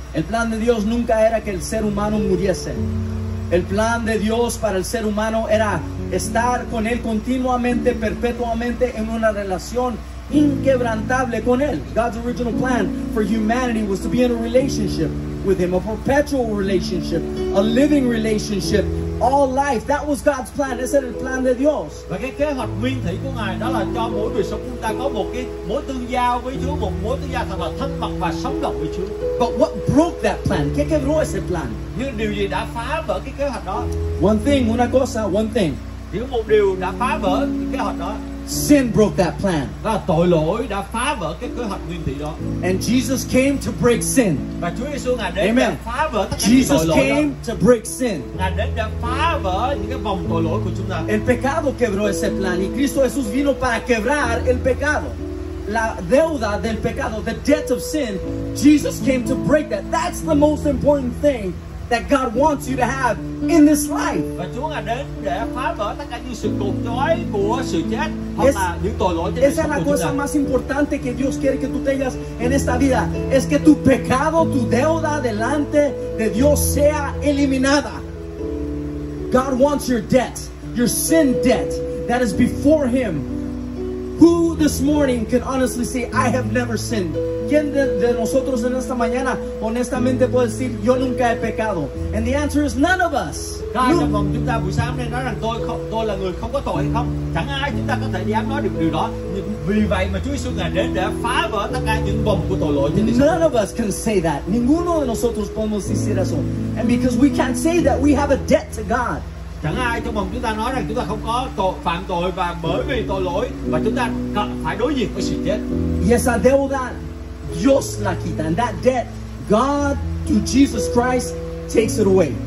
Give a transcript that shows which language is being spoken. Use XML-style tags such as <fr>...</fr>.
<es>El plan de Dios nunca era que el ser humano muriese. El plan de Dios para el ser humano era estar con él continuamente, perpetuamente en una relación inquebrantable con él.</es> <en>God's original plan for humanity was to be in a relationship with him, a perpetual relationship, a living relationship, all life. That was God's plan.</en> <es>Ese era el plan de Dios.</es> <vi>Và cái kế hoạch nguyên thủy của ngài đó là cho mỗi đời sống chúng ta có một cái mối tương giao với Chúa, một mối tương giao thật là thân mật và sống động với Chúa.</vi> <en>But what broke that plan?</en> <vi>Cái kế hoạch</vi> <es>ese plan?</es> <vi>Nhưng điều gì đã phá vỡ cái kế hoạch đó?</vi> <en>One thing,</en> <es>una cosa,</es> <en>one thing.</en> <vi>Chỉ một điều đã phá vỡ kế hoạch đó.</vi> <en>Sin broke that plan.</en> <vi>Đó là tội lỗi đã phá vỡ cái kế hoạch nguyên thủy đó.</vi> <en>And Jesus came to break sin.</en> <vi>Và Chúa Giêsu ngài đến để phá vỡ tất cả</vi> <en>Jesus</en> <vi>tội lỗi</vi> <en>came</en> <vi>đó.</vi> <en>To break sin.</en> <vi>Ngài đến để phá vỡ những cái vòng tội lỗi của chúng ta.</vi> <es>El pecado quebró ese plan. Y Cristo Jesús vino para quebrar el pecado. La deuda del pecado,</es> <en>the debt of sin, Jesus came to break that. That's the most important thing that God wants you to have in this life.</en> <vi>Và Chúa ngài đến để phá vỡ tất cả những sự cột chói của sự chết hoặc là những tội lỗi trên đời.</vi> <es>Esa es la cosa más importante que Dios quiere que tú tengas en esta vida, es que tu pecado, tu deuda delante de Dios sea eliminada.</es> <en>God wants your debt, your sin debt that is before him. Who this morning can honestly say, I have never sinned</en> <es>¿Quién de nosotros en esta mañana honestamente puede decir yo nunca he pecado?</es> <en>And the answer is none of us. None of us can say that.</en> <es>Ninguno de nosotros podemos decir eso.</es> <en>And because we can't say that, we have a debt to God.</en> <vi>Chẳng ai trong mộng chúng ta nói rằng chúng ta không có tội phạm tội và bởi vì tội lỗi và chúng ta phải đối diện với sự chết.</vi> <es>Yes, a deuda, Dios la quita.</es> <en>And that debt, God to Jesus Christ takes it away.</en>